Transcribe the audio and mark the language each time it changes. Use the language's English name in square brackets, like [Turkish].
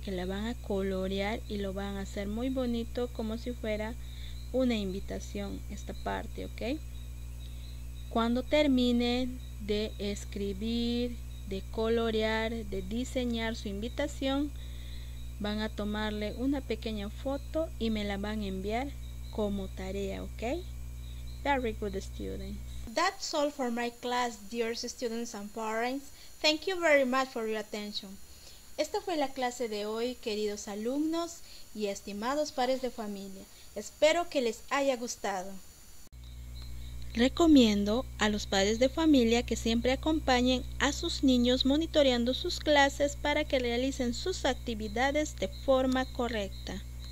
[Spanish] Que la van a colorear y lo van a hacer muy bonito, como si fuera una invitación, esta parte, ¿ok? Cuando terminen de escribir, de colorear, de diseñar su invitación, van a tomarle una pequeña foto y me la van a enviar como tarea, ¿ok? [English] Very good, students. That's all for my class, dear students and parents. Thank you very much for your attention. [Spanish] Esta fue la clase de hoy, queridos alumnos y estimados padres de familia. Espero que les haya gustado. Recomiendo a los padres de familia que siempre acompañen a sus niños monitoreando sus clases para que realicen sus actividades de forma correcta.